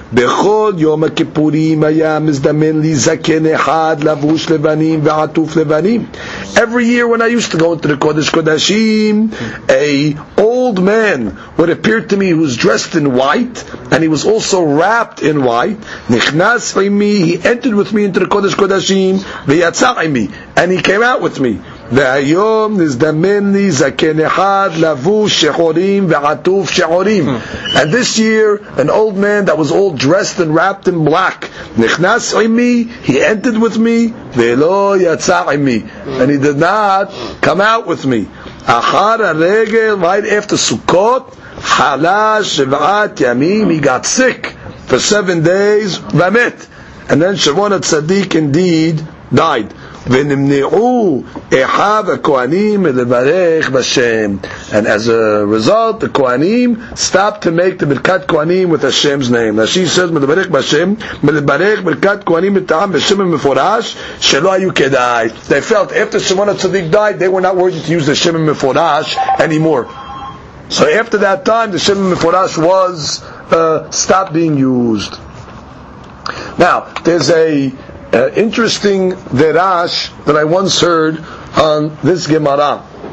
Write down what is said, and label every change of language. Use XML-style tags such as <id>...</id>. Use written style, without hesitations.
<he>בכל יום הכיפורים היה מזדמן לי זקן אחד לבוש לבנים ועטוף לבנים.</he> <en>Every year when I used to go into the Kodesh Kodashim, a old man would appear to me who was dressed in white, and he was also wrapped in white.</en> <he>נכנס עימי,</he> <en>he entered with me into the Kodesh Kodashim,</en> <he>ויצא עימי,</he> <en>and he came out with me.</en> <he>והיום נזדמן לי זקן אחד לבוש שחורים ועטוף שחורים.</he> <en>And this year, an old man that was all dressed and wrapped in black,</en> <he>נכנס עימי,</he> <en>he entered with me,</en> <he>ולא יצא עימי.</he> <en>And he did not come out with me.</en> <he>אחר הרגל,</he> <en>right after Sukkot,</en> <he>חלה שבעת ימים,</he> <en>he got sick for 7 days,</en> <he>ומת.</he> <en>And then Shimon HaTzadik indeed died.</en> <he>ונמנעו אחיו הכהנים לברך בשם.</he> <en>And as a result, the כהנים stopped to make the ברכת כהנים with Hashem's name. And she says,</en> <he>מלברך בשם, מלברך ברכת כהנים בטעם בשם המפורש, שלא היו כדאי.</he> <en>They felt after Shimon HaTzadik died, they were not worthy to use the Shem המפורש anymore. So after that time, the Shem המפורש was stopped being used. Now, there's a interesting derash that I once heard on this Gemara.</en>